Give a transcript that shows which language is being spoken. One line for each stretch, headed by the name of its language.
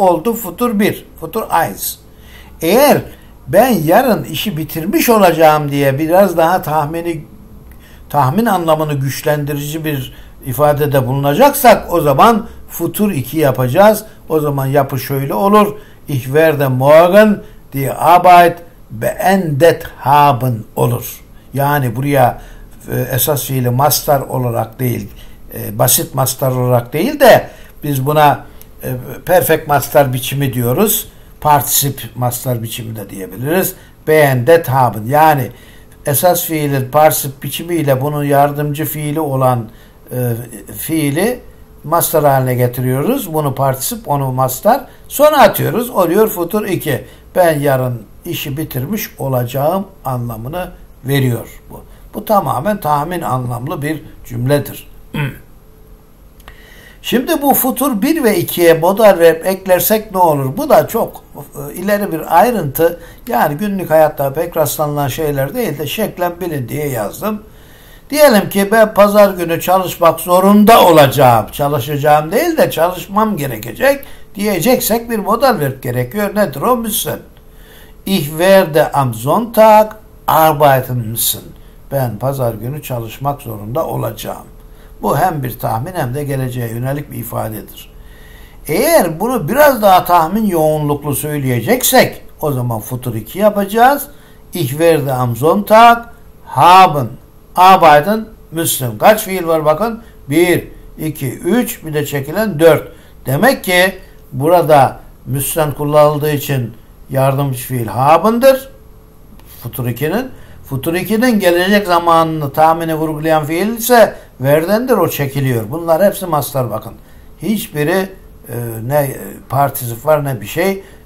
Turkish: Oldu futur bir, futur eins. Eğer ben yarın işi bitirmiş olacağım diye biraz daha tahmin anlamını güçlendirici bir ifadede bulunacaksak o zaman futur 2 yapacağız. O zaman yapı şöyle olur.
German: Ich werde morgen die Arbeit beendet haben
Turkish: olur. Yani buraya esas fiili mastar olarak değil, basit mastar olarak değil de biz buna perfect mastar biçimi diyoruz. Particip mastar biçimi de diyebiliriz. Beendet haben. Yani esas fiilin particip biçimiyle bunun yardımcı fiili olan fiili mastar haline getiriyoruz. Bunu particip, onu mastar. Sonra atıyoruz. Oluyor futur 2. Ben yarın işi bitirmiş olacağım anlamını veriyor bu. Bu tamamen tahmin anlamlı bir cümledir. Şimdi bu futur 1 ve 2'ye modal verb eklersek ne olur? Bu da çok ileri bir ayrıntı. Yani günlük hayatta pek rastlanılan şeyler değil de şeklen bilin diye yazdım. Diyelim ki ben pazar günü çalışmak zorunda olacağım. Çalışacağım değil de çalışmam gerekecek. Diyeceksek bir modal verb gerekiyor. Nedir o? Müssen.
German: Ich werde am Sonntag arbeiten müssen.
Turkish: Ben pazar günü çalışmak zorunda olacağım. Bu hem bir tahmin hem de geleceğe yönelik bir ifadedir. Eğer bunu biraz daha tahmin yoğunluklu söyleyeceksek o zaman futur 2 yapacağız.
German: Ich werde am Sonntag haben arbeiten müssen.
Turkish: Kaç fiil var bakın? 1, 2, 3 bir de çekilen 4. Demek ki burada müssen kullanıldığı için yardımcı fiil haben'dir. Futur 2'nin. Futur 2'nin gelecek zamanını tahmini vurgulayan fiil ise verdendir o çekiliyor. Bunlar hepsi mastar bakın. Hiçbiri ne particip var ne bir şey.